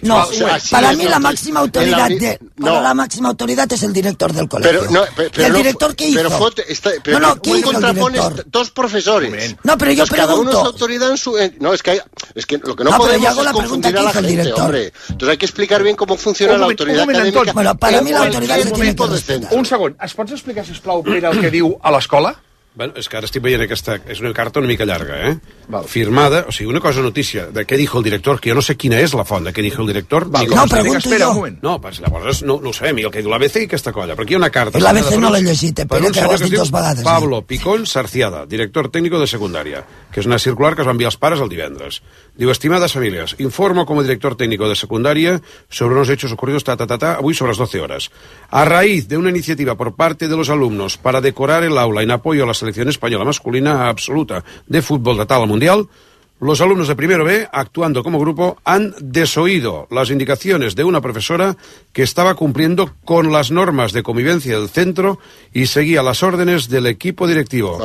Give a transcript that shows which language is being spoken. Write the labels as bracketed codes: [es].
[es] No, o sea, así para mí la máxima autoridad la máxima autoridad es el director del colegio. Pero ¿el director qué hizo? ¿Qué hizo el director? Dos profesores. No, pero yo pregunto. Cada uno es autoridad en su... Es que lo que no podemos es confundir a la gente, hombre. Entonces hay que explicar bien cómo funciona la autoridad académica. Bueno, para mí la autoridad es el director. [ca] Un segon. ¿Es pots explicar, sisplau, Pere, el que diu a l'escola? Bueno, és que ara estic veient aquesta... És una carta una mica llarga, eh? Val. Firmada, o sigui, una cosa notícia de què [es] dijo el director, [ca] que jo no sé quina és la font de què dijo el director... Val, no, pregunto jo. No, pues, llavors no ho sabem, i el que diu l'ABC i aquesta colla. Però aquí hi ha una carta... L'ABC no l'he llegit, Pere, que ho has dit dos vegades. Pablo Picón Sarciada, director tècnico de secundària, que és una circular que es va enviar als pares el divendres. Diu, estimades famílies, [es] informo como director técnico de secundaria sobre unos hechos ocurridos avui sobre las 12 horas. A raíz de una iniciativa por parte de los alumnos para decorar el aula en apoyo a la selección española masculina absoluta de fútbol de tal mundial, Los alumnos de primero B, actuando como grupo, han desoído las indicaciones de una profesora que estaba cumpliendo con las normas de convivencia del centro y seguía las órdenes del equipo directivo.